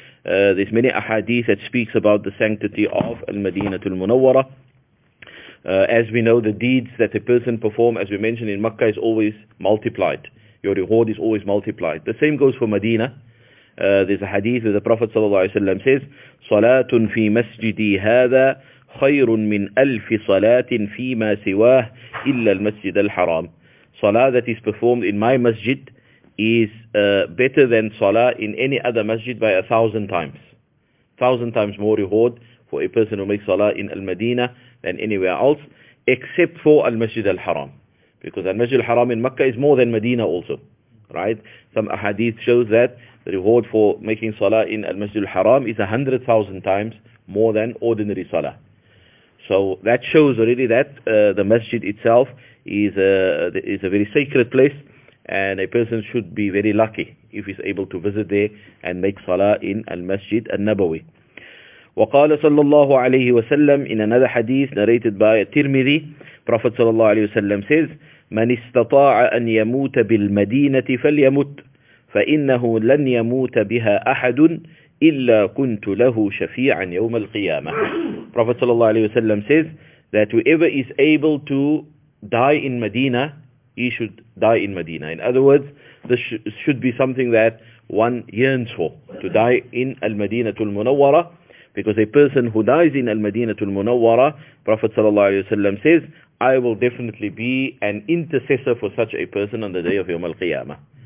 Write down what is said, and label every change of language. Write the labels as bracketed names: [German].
[English] There's many ahadith that speaks about the sanctity of Al-Madinatul Munawwara. As we know, the deeds that a person performs, as we mentioned in Mecca, is always multiplied. Your reward is always multiplied. The same goes for Medina. There's a hadith where the Prophet ﷺ says, [Arabic] صَلَاتٌ فِي مَسْجِدِي هَذَا خَيْرٌ مِنْ أَلْفِ صَلَاتٍ فِي مَا سِوَاهِ إِلَّا الْمَسْجِدَ الْحَرَامِ. [English] Salah that is performed in my masjid is better than salah in any other masjid by 1,000 times. 1,000 times more reward for a person who makes salah in Al-Madinah than anywhere else, except for Al-Masjid Al-Haram. Because Al-Masjid Al-Haram in Mecca is more than Medina also, right? Some ahadith shows that the reward for making salah in Al-Masjid Al-Haram is 100,000 times more than ordinary salah. So that shows already that the masjid itself is a very sacred place, and a person should be very lucky if he's able to visit there and make salah in Al-Masjid Al-Nabawi. [Arabic] وقال صلى الله عليه وسلم [English] in another hadith narrated by Tirmidhi, Prophet [Arabic] صلى الله عليه وسلم [English] says, [Arabic] من استطاع أن يموت بالمدينة فليمت فإنه لن يموت بها أحد إلا كنت له شفيعا يوم القيامة. [English] Prophet [Arabic] صلى الله عليه وسلم [English] says that whoever is able to die in Medina, he should die in Medina. In other words, this should be something that one yearns for, to die in Al-Madinatul Munawwara, because a person who dies in Al-Madinatul Munawwara, Prophet sallallahu alaihi wasallam says, I will definitely be an intercessor for such a person on the day of Yawm al-Qiyamah.